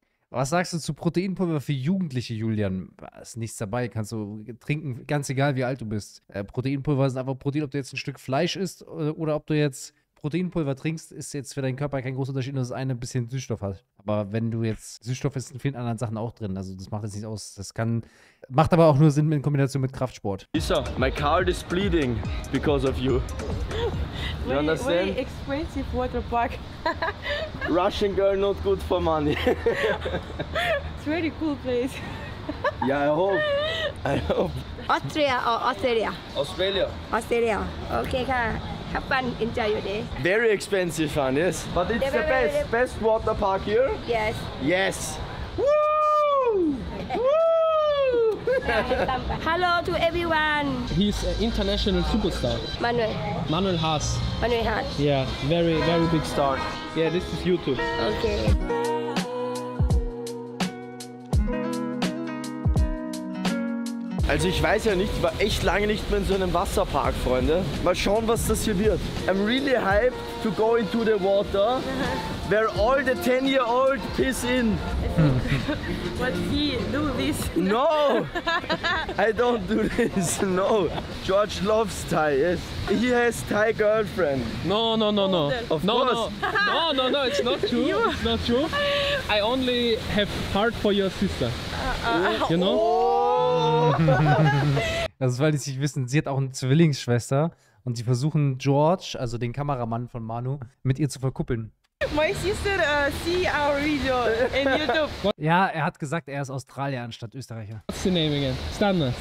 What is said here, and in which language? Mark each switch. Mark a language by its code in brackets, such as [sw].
[de] Was sagst du zu Proteinpulver für Jugendliche, Julian? Da ist nichts dabei, kannst du trinken, ganz egal wie alt du bist. Proteinpulver sind einfach Protein, ob du jetzt ein Stück Fleisch isst oder ob du jetzt Proteinpulver trinkst, ist jetzt für deinen Körper kein großer Unterschied, nur das eine ein bisschen Süßstoff hat. Aber wenn du jetzt, Süßstoff ist in vielen anderen Sachen auch drin, also das macht jetzt nicht aus, das kann, macht aber auch nur Sinn in Kombination mit Kraftsport. [en] Lisa, my car is bleeding because of you. You very, understand? Very expensive water park. Russian girl not good for money. It's very cool place. Yeah, I hope. Austria or Australia? Australia. Australia. Okay, come on. Have fun, enjoy your day. Very expensive fun, yes. But it's the best, best water park here. Yes. Yes. Woo! Woo! Hello to everyone. He's an international superstar. Manuel Haas. Manuel Haas. Yeah, very, very big star. Yeah, this is YouTube. Okay. [de] Also ich weiß ja nicht, ich war echt lange nicht mehr in so einem Wasserpark, Freunde. Mal schauen, was das hier wird. [en] I'm really hyped to go into the water, where all the 10-year-old piss in. What he do this? No! I don't do this, no. George loves Thai, yes. He has Thai girlfriend. No. Of no, course. No, it's not true, it's not true. I only have heart for your sister, you know? [de] Das ist, weil die sich wissen, sie hat auch eine Zwillingsschwester und sie versuchen George, also den Kameramann von Manu, mit ihr zu verkuppeln. [en] My sister see our video in YouTube. [de] Ja, er hat gesagt, er ist Australier anstatt Österreicher. [en] What's the name again? Stan.